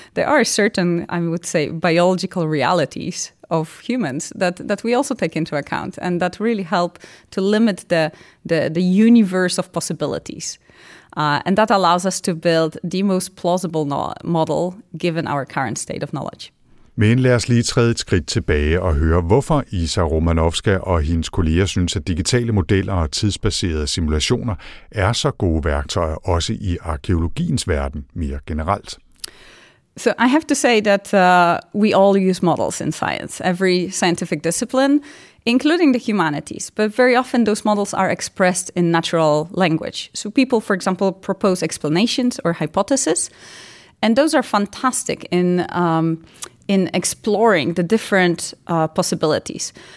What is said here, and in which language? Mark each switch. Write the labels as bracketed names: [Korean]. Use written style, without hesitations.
[English] There are certain, I would say, biological realities of humans that we also take into account, and that really help to limit the universe of possibilities. And that allows us to build the most plausible model given our current state of knowledge. [Danish] Men lad os lige træde et skridt tilbage og høre, hvorfor Isa Romanowska og hendes kolleger synes, at digitale modeller og tidsbaserede simulationer er så gode værktøjer, også i arkeologiens verden mere generelt. [English] So I have to say that we all use models in science, every scientific discipline, including the humanities. But very often those models are expressed in natural language. So people, for example, propose explanations or hypotheses. And those are fantastic in exploring the different possibilities.